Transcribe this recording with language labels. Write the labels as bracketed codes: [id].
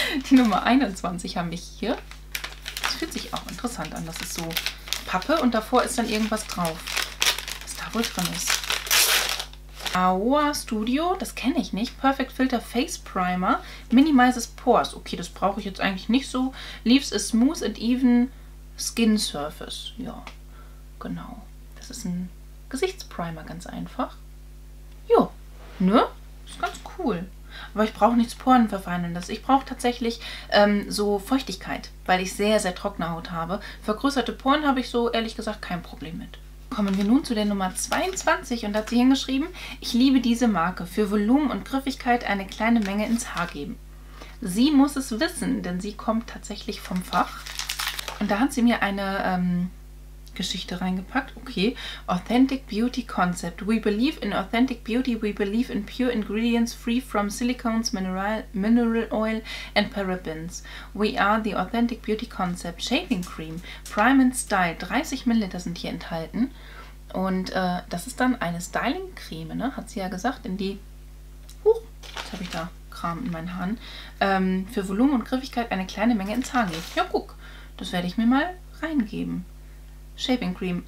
[de] Die Nummer 21 haben wir hier. Das fühlt sich auch interessant an. Das ist so Pappe und davor ist dann irgendwas drauf. Was da wohl drin ist. Aoa Studio, das kenne ich nicht. Perfect Filter Face Primer. [en] Minimizes Pores. [de] Okay, das brauche ich jetzt eigentlich nicht so. [en] Leaves a smooth and even skin surface. [de] Ja, genau. Das ist ein Gesichtsprimer, ganz einfach. Jo, ne? Ist ganz cool. Aber ich brauche nichts Porenverfeinendes. Ich brauche tatsächlich so Feuchtigkeit, weil ich sehr, sehr trockene Haut habe. Vergrößerte Poren habe ich so, ehrlich gesagt, kein Problem mit. Kommen wir nun zu der Nummer 22 und da hat sie hingeschrieben, ich liebe diese Marke. Für Volumen und Griffigkeit eine kleine Menge ins Haar geben. Sie muss es wissen, denn sie kommt tatsächlich vom Fach. Und da hat sie mir eine Geschichte reingepackt. Okay, Authentic Beauty Concept. [en] We believe in authentic beauty. We believe in pure ingredients free from silicones, mineral oil and parabens. We are the Authentic Beauty Concept. Shaving Cream, Prime and Style. [de] 30 ml sind hier enthalten. Und das ist dann eine Styling-Creme, ne? Hat sie ja gesagt, in die... Huch, jetzt habe ich da Kram in meinen Haaren. Für Volumen und Griffigkeit eine kleine Menge ins Haar geht. Ja, guck, das werde ich mir mal reingeben. Shaving Cream.